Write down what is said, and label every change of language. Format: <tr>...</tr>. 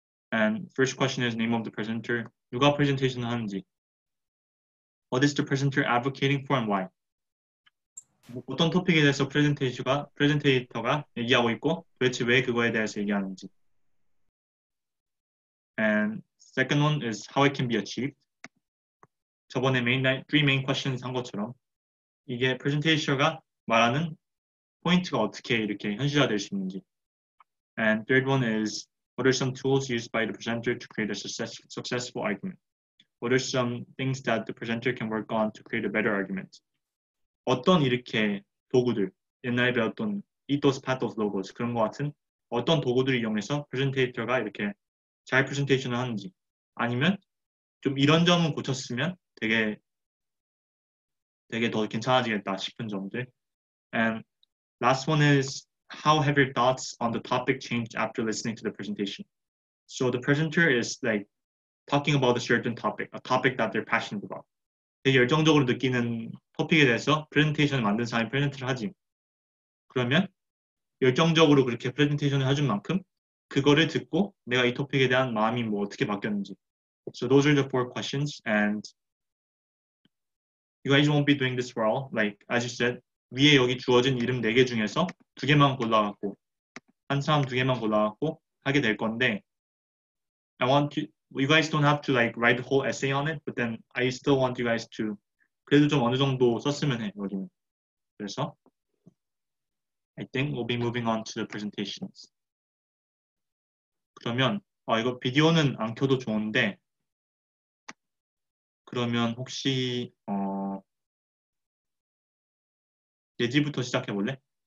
<en>And first question is name of the presenter.</en> <ko>누가 presentation을 하는지.</ko> <en>What is the presenter advocating for and why?</en> <ko>뭐 어떤 토픽에 대해서 프레젠테이터가 얘기하고 있고 도대체 왜 그거에 대해서 얘기하는지.</ko> <en>And second one is how it can be achieved.</en> <ko>저번에</ko> <en>three main questions</en> <ko>한 것처럼 이게 프레젠테이터가 말하는 포인트가 어떻게 이렇게 현실화될 수 있는지.</ko> <en>And third one is what are some tools used by the presenter to create a successful argument? What are some things that the presenter can work on to create a better argument?</en> <ko>어떤 이렇게 도구들, 옛날에 배웠던 ethos, pathos, logos 그런 것 같은 어떤 도구들을 이용해서 프레젠테이터가 이렇게 잘 프레젠테이션을 하는지 아니면 좀 이런 점은 고쳤으면 되게 더 괜찮아지겠다 싶은 점들.</ko> <en>And last one is how have your thoughts on the topic changed after listening to the presentation? So the presenter is like talking about a certain topic, a topic that they're passionate about.</en> <ko>되게 열정적으로 느끼는 토픽에 대해서 프레젠테이션을 만든 사람이 프레젠트를 하지. 그러면 열정적으로 그렇게 프레젠테이션을 해준 만큼 그거를 듣고 내가 이 토픽에 대한 마음이 뭐 어떻게 바뀌었는지.</ko> <en>So those are the 4 questions and you guys won't be doing this well. Like as you said,</en> <ko>위에 여기 주어진 이름 4개 중에서 2개만 골라갖고 한 사람 2개만 골라갖고 하게 될 건데</ko> <en>you guys don't have to like write the whole essay on it, but then I still want you guys to</en> <ko>그래도 좀 어느 정도 썼으면 해, 여기는.</ko> <en>그래서 I think we'll be moving on to the presentations.</en> <ko>그러면 이거 비디오는 안 켜도 좋은데 그러면 혹시 예지부터 시작해 볼래?</ko>